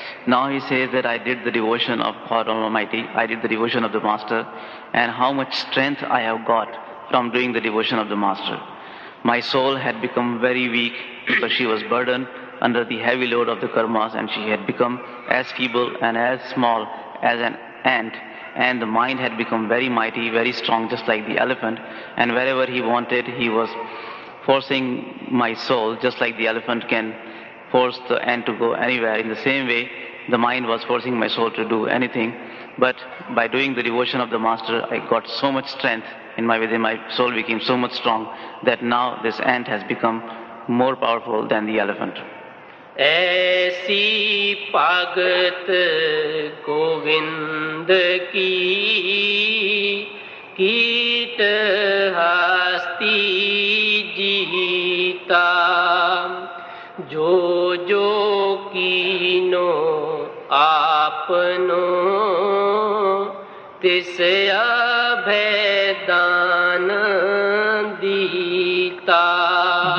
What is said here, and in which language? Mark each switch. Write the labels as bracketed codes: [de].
[en] Now he says that I did the devotion of for Almighty I did the devotion of the master and how much strength I have got from doing the devotion of the master my soul had become very weak because she was burden under the heavy load of the karmas and she had become as feeble and as small as an ant and the mind had become very mighty, very strong, just like the elephant. And wherever he wanted, he was forcing my soul, just like the elephant can force the ant to go anywhere. In the same way, the mind was forcing my soul to do anything. But by doing the devotion of the master, I got so much strength in my within. My soul became so much strong that now this ant has become more powerful than the elephant. [pa] ਐਸੀ ਭਗਤ ਗੋਬਿੰਦ ਕੀਟ ਹਸਤੀ ਜੀਤਾ ਜੋ ਜੋ ਕੀਨੋ ਆਪਨੋ ਤਿਸ ਅਭੈਦਾਨ ਦੀਤਾ